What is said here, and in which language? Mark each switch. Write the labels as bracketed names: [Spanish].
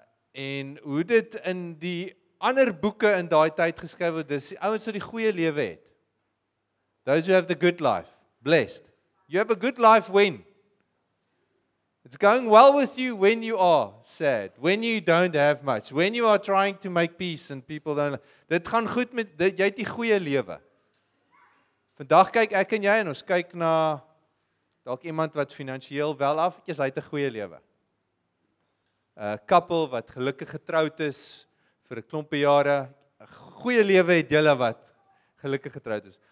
[Afrikaans] En hoe dit in die ander boeke in daai tyd geskryf word, dis die ouens wat die goeie lewe het. [English] Those who have the good life, blessed. You have a good life when it's going well with you, when you are sad, when you don't have much, when you are trying to make peace and people don't. [Afrikaans] Dit gaan goed met dit, jy het die goeie lewe. Vandag kyk ek en jy en ons kyk na dalk iemand wat finansieel wel af is, hy het 'n goeie lewe. 'n Kappel wat gelukkig getroud is vir 'n klompe jare, 'n goeie lewe het julle wat gelukkig getroud is.